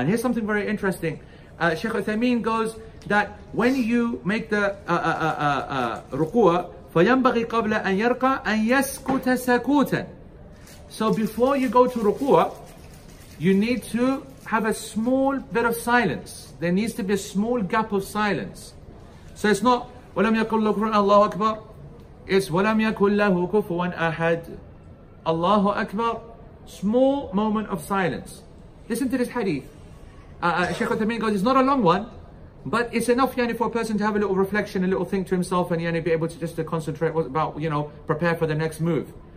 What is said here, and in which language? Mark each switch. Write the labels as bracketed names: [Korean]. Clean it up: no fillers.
[English] And here's something very interesting. Sheikh Uthaymeen goes that when you make the ruku'ah, [Arabic] فَيَنْبَغِي قَبْلَ أَنْ يَرْقَى أَنْ يَسْكُتَ سَكُوتًا. [English] So before you go to ruku'ah, you need to have a small bit of silence. There needs to be a small gap of silence. So it's not [Arabic] وَلَمْ يَقُلْ لَهُ كُفُوًا اللَّهُ أَكْبَرُ. [English] It's [Arabic] وَلَمْ يَقُلْ لَهُ كُفُوًا أَحَدُ اللَّهُ أَكْبَرُ. [English] Small moment of silence. Listen to this hadith. Sheikh Uthaymeen goes, it's not a long one, but it's enough for a person to have a little reflection, a little think to himself, and be able to just to concentrate about, prepare for the next move.